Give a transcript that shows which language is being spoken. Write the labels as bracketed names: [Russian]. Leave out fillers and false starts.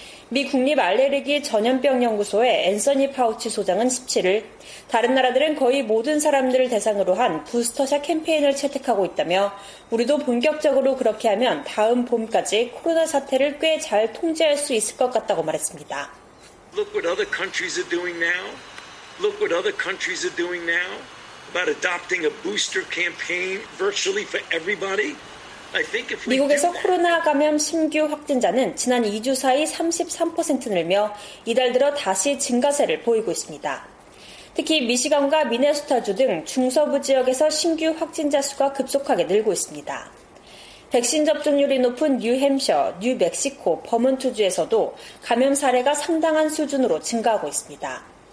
[Korean] 미 국립 알레르기 전염병 연구소의 앤서니 파우치 소장은 17일 다른 나라들은 거의 모든 사람들을 대상으로 한 부스터샷 캠페인을 채택하고 있다며 우리도 본격적으로 그렇게 하면 다음 봄까지 코로나 사태를 꽤 잘 통제할 수 있을 것 같다고 말했습니다. [English] Look what other countries are doing now. Look what other countries are doing now about adopting a booster campaign virtually for everybody. [Korean] 미국에서 코로나 감염 신규 확진자는 지난 2주 사이 33% 늘며 이달 들어 다시 증가세를 보이고 있습니다. 특히 미시간과 미네소타주 등 중서부 지역에서 신규 확진자 수가 급속하게 늘고 있습니다. 백신 접종률이 높은 뉴햄셔, 뉴멕시코, 버몬트주에서도 감염 사례가 상당한 수준으로 증가하고 있습니다.